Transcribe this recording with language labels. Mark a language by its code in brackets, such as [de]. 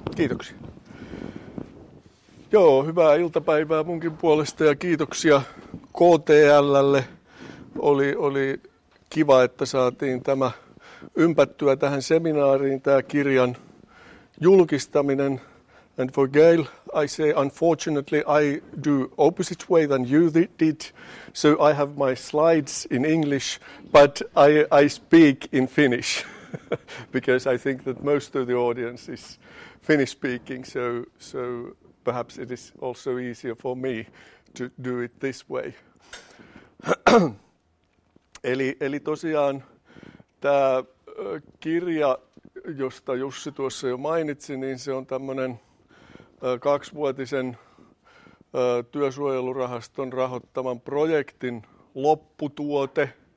[fi] Kiitoksia. Joo, hyvää iltapäivää munkin puolesta ja kiitoksia KTL:lle. Oli kiva, että saatiin tämä ympättyä tähän seminaariin, tämä kirjan julkistaminen. [en] And for Gail, I say, unfortunately, I do opposite way than you did. So I have my slides in English, but I speak in Finnish. Because I think that most of the audience is Finnish-speaking, so perhaps it is also easier for me to do it this way. [fi] Eli tosiaan tämä kirja, josta Jussi tuossa jo mainitsi, niin se on tämmöinen 2-vuotisen työsuojelurahaston rahoittaman projektin lopputuote.